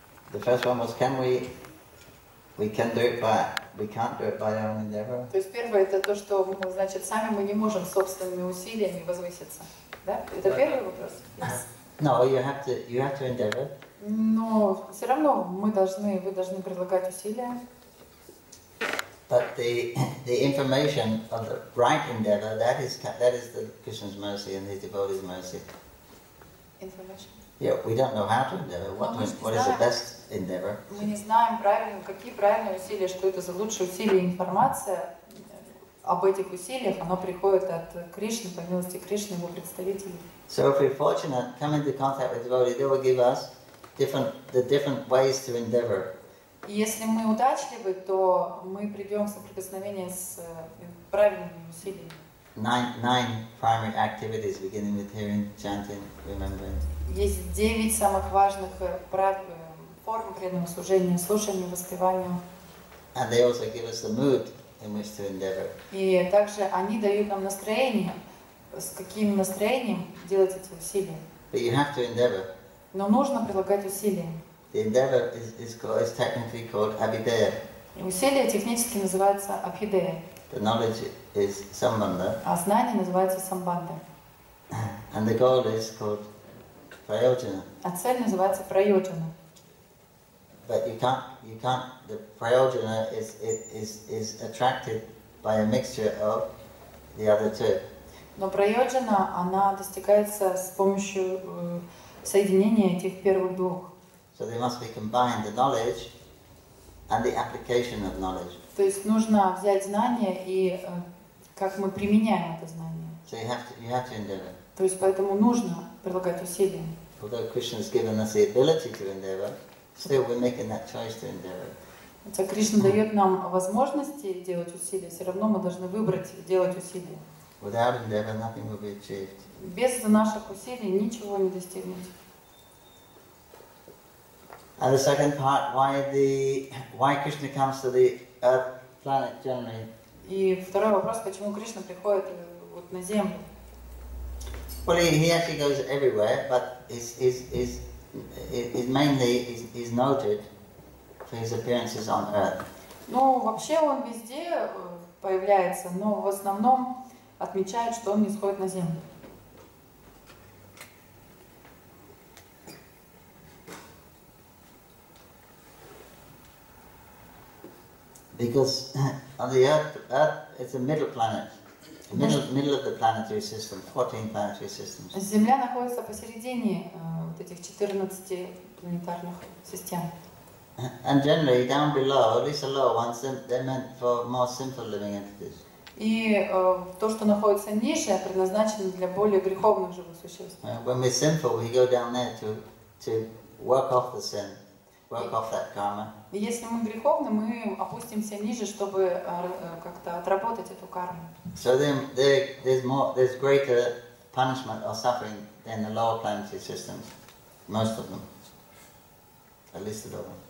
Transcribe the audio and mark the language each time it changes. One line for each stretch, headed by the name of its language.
English: The first one was, can we can do it, but we can't do it by our own endeavor.
Russian: То есть первое это то, что значит сами мы не можем собственными усилиями возвыситься, да? Это первый вопрос.
English: No, you have to endeavor.
Russian: Но все равно вы должны предлагать усилия.
English: But the information of the right endeavor, that is the Krishna's mercy and his devotee's mercy. Information? Yeah, we don't know how to endeavor. What is the best endeavor?
Russian: Мы не знаем правильно, какие правильные усилия, что это за лучшие усилия. Информация об этих усилиях, оно приходит от Кришны, по милости Кришны, его представителей.
English: So if we're fortunate, come into contact with devotees, they will give us the different ways to endeavor.
Russian: Если мы удачливы, то мы придем в соприкосновение с правильными усилиями.
English: Nine primary activities, beginning with hearing, chanting, remembering.
Russian: Есть 9 самых важных форм преданного служения, слушанию, воспеванию.
English: And they also give us the mood in which to endeavor.
Russian: И также они дают нам настроение, с каким настроением делать эти усилия.
English: But you have to endeavor.
Russian: Но нужно прилагать усилия.
English: The endeavor is technically called abhideya.
Russian: Усилие технически называется абхидея.
English: The knowledge is самбанда.
Russian: А знание называется самбанда.
English: And the goal is called прайоджана.
Russian: А цель называется прайоджана.
English: But you can't. The прайоджана is attracted by a mixture of the other two.
Russian: Но прайоджана она достигается с помощью соединения этих первых двух.
English: So they must be combined, the knowledge and the application of knowledge.
Russian: То есть нужно взять знание и как мы применяем это знание.
English: So you have to endeavor.
Russian: То есть поэтому нужно прилагать усилия.
English: Although Krishna has given us the ability to endeavor, still we're making that choice to endeavor.
Russian: Хотя Кришна дает нам возможности делать усилия, все равно мы должны выбрать делать усилия.
English: Without endeavor, nothing will be achieved.
Russian: Без наших усилий ничего не достигнуть.
English: And the second part, why Krishna comes to the Earth planet generally?
Russian: И второй вопрос, почему Кришна приходит вот на Землю?
English: Well, he actually goes everywhere, but he's mainly noted for his appearances on Earth.
Russian: Ну вообще он везде появляется, но в основном отмечают, что он исходит на Землю.
English: Because on the Earth, it's a middle planet, middle of the planetary system, 14 planetary systems.
Russian: Земля находится посередине вот этих 14 планетарных систем.
English: And generally, down below, at least the lower ones, they're meant for more simple living entities.
Russian: И то, что находится ниже, предназначено для более греховных живых существ.
English: When we're sinful, we go down there to work off the sin. Work off that karma.
Russian: Если мы греховны, мы опустимся ниже, чтобы как-то отработать эту карму.
English: So then there's greater punishment or suffering than the lower planetary systems, most of them, at least the lower.